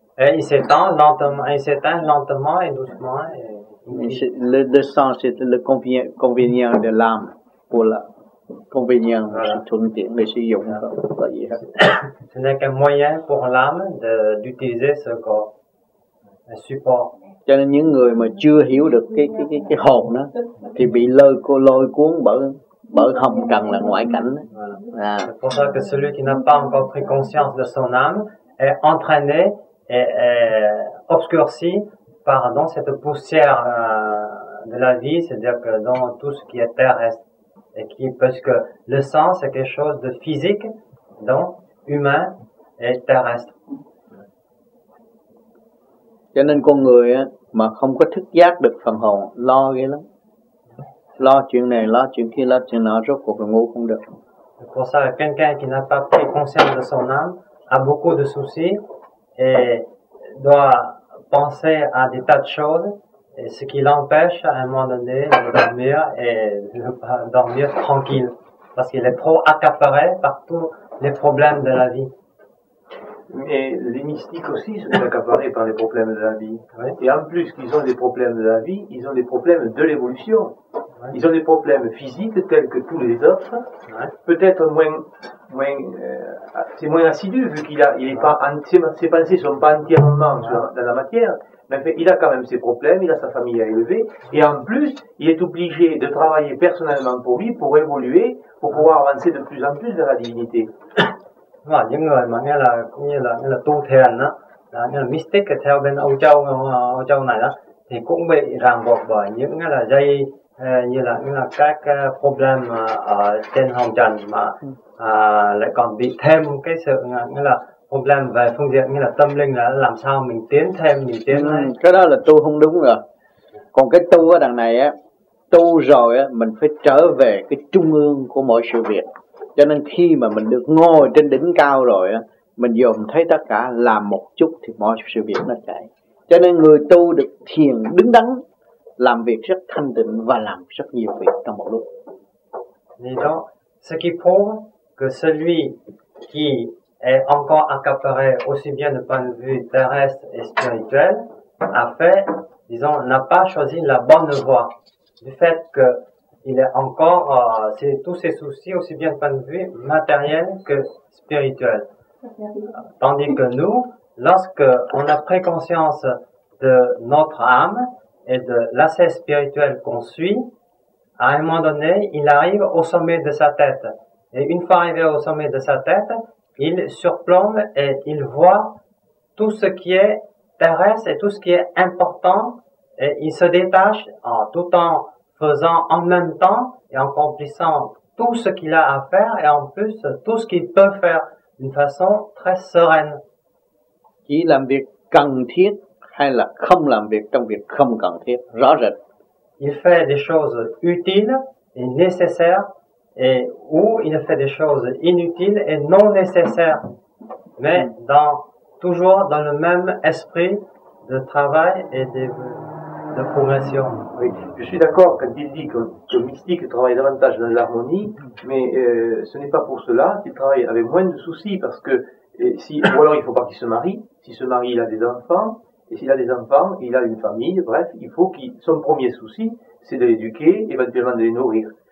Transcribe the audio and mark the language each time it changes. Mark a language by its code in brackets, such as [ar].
[fr] Et il s'éteint lentement et doucement. Le sang, c'est le convenient de l'âme pour la convenient, voilà. Ce n'est qu'un moyen pour l'âme d'utiliser ce corps. [vi] Cho nên những người mà chưa hiểu được cái hồn đó thì bị lôi cuốn bởi hồng trần là ngoại cảnh. [fr] C'est pour ça que celui qui n'a pas encore pris conscience de son âme est entraîné et obscurci par cette poussière de la vie, c'est-à-dire que dans tout ce qui est terrestre et qui, parce que le sens est quelque chose de physique, donc humain et terrestre. [vi] Cho nên con người á, mà không có thức giác được phần hồn, lo ghê lắm. Lo chuyện này, lo chuyện kia, lo chuyện nọ, rốt cuộc là ngủ không được. [fr] C'est pour ça que quelqu'un qui n'a pas pris conscience de son âme a beaucoup de soucis et doit penser à des tas de choses, et ce qui l'empêche à un moment donné de dormir et de ne pas dormir tranquille. Parce qu'il est trop accaparé par tous les problèmes de la vie. Mais les mystiques aussi sont accaparés par les problèmes de la vie. Oui. Et en plus qu'ils ont des problèmes de la vie, ils ont des problèmes de l'évolution. Oui. Ils ont des problèmes physiques tels que tous les autres. Oui. Peut-être moins assidu vu ses pensées ne sont pas entièrement dans la matière. Mais en fait, il a quand même ses problèmes, il a sa famille à élever. Et en plus, il est obligé de travailler personnellement pour lui, pour évoluer, pour pouvoir avancer de plus en plus vers la divinité. [vi] Mà những người mà nghĩa là tu thiền đó, là nghĩa là mystic theo bên Âu Châu này đó, thì cũng bị ràng buộc bởi những cái là dây như là các problem ở trên hồng trần mà lại còn bị thêm cái sự nghĩa là problem về phương diện như là tâm linh, là làm sao mình tiến cái đó là tu không đúng rồi. Còn cái tu ở đằng này á, tu rồi á, mình phải trở về cái trung ương của mọi sự việc. Cho nên khi mà mình được ngồi trên đỉnh cao rồi á, mình dồn thấy tất cả, làm một chút thì mọi sự việc nó chạy. Cho nên người tu được thiền đứng đắn, làm việc rất thanh tịnh và làm rất nhiều việc trong một lúc. [fr] Et donc, ce qui prouve que celui qui est encore accaparé aussi bien de point de vue terrestre et spirituel a fait, disons, n'a pas choisi la bonne voie. Du fait que il est encore tous ses soucis, aussi bien de point de vue matériel que spirituel. Tandis que nous, lorsque on a pris conscience de notre âme et de l'aspect spirituel qu'on suit, à un moment donné, il arrive au sommet de sa tête. Et une fois arrivé au sommet de sa tête, il surplombe et il voit tout ce qui est terrestre et tout ce qui est important, et il se détache en tout en faisant en même temps et en accomplissant tout ce qu'il a à faire et en plus tout ce qu'il peut faire d'une façon très sereine. [vi] Chỉ làm việc cần thiết hay là không làm việc trong việc không cần thiết, rõ rệt. [fr] Il fait des choses utiles et nécessaires et où il fait des choses inutiles et non nécessaires, mais dans toujours dans le même esprit de travail et de progression. Oui, je suis d'accord quand il dit que le mystique travaille davantage dans l'harmonie, mais ce n'est pas pour cela qu'il travaille avec moins de soucis, parce que si, ou alors il ne faut pas qu'il se marie, s'il se marie il a des enfants, et s'il a des enfants, il a une famille, bref, il faut qu'il, son premier souci, c'est de l'éduquer, éventuellement de les nourrir.